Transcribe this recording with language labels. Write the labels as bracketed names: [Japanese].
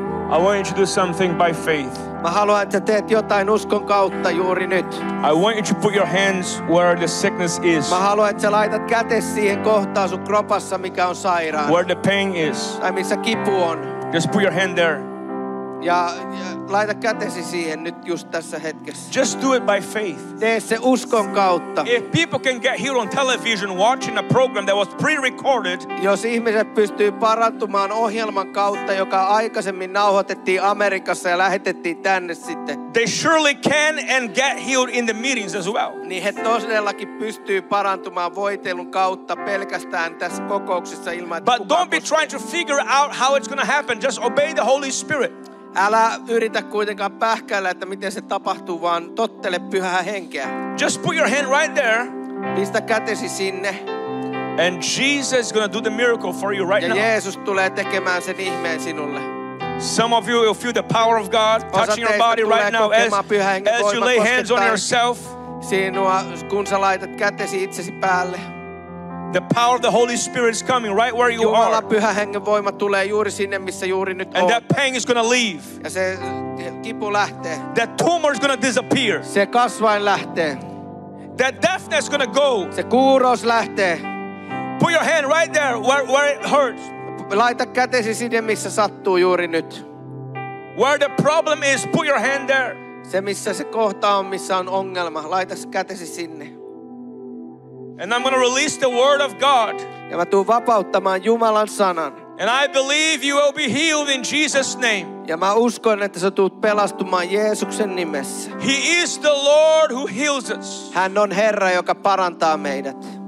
[English] I want you to do something by faith. [Finnish] Mä haluan, että teet jotain uskon kautta juuri nyt. [English] I want you to put your hands where the sickness is. [Finnish] Mä haluan, että sä laitat kätes siihen kohtaan sun kropassa, mikä on sairaan. [English] Where the pain is. [Finnish] Tai missä kipu on. [English] Just put your hand there. [Finnish] Ja laita kätesi siihen nyt just tässä hetkessä. [English] Just do it by faith. [Finnish] Tee se uskon kautta. [English] If people can get healed on television watching a program that was pre-recorded. [Finnish] Jos ihmiset pystyy parantumaan ohjelman kautta, joka aikaisemmin nauhoitettiin Amerikassa ja lähetettiin tänne sitten. [English] They surely can and get healed in the meetings as well. [Finnish] Niin he todellakin pystyy parantumaan voitelun kautta pelkästään tässä kokouksessa ilman. [English] But don't be trying to figure out how it's going to happen. Just obey the Holy Spirit. [Finnish] Älä yritä kuitenkaan pähkäillä, että miten se tapahtuu, vaan tottele Pyhää Henkeä. [English] Just put your hand right there. [Finnish] Pistä kätesi sinne. [English] And Jesus is gonna do the miracle for you right [Finnish] ja [English] now. [Finnish] Ja Jeesus tulee tekemään sen ihmeen sinulle. [English] Some of you will feel the power of God touching your body right now as you lay hands on yourself. [Finnish] Sinua, kun sä laitat kätesi itsesi päälle. [English] The power of the Holy Spirit is coming right where you [Finnish] Jumala, [English] are. [Finnish] Jumala, Pyhä Hengen voima tulee juuri sinne, missä juuri nyt on. [English] And that pain is going to leave. [Finnish] Ja se kipu lähtee. [English] That tumor is going to disappear. [Finnish] Se kasvain lähtee. [English] That deafness is going to go. [Finnish] Se kuuros lähtee. [English] Put your hand right there where it hurts. [Finnish] Laita kätesi sinne, missä sattuu juuri nyt. [English] Where the problem is, put your hand there. [Finnish] Se, missä se kohta on, missä on ongelma. Laita kätesi sinne. [English] And I'm going to release the word of God. [Finnish] Ja mä tuun vapauttamaan Jumalan sanan. [English] And I believe you will be healed in Jesus' name. [Finnish] Ja mä uskon, että sä tuut pelastumaan Jeesuksen nimessä. [English] He is the Lord who heals us. [Finnish] Hän on Herra, joka parantaa meidät.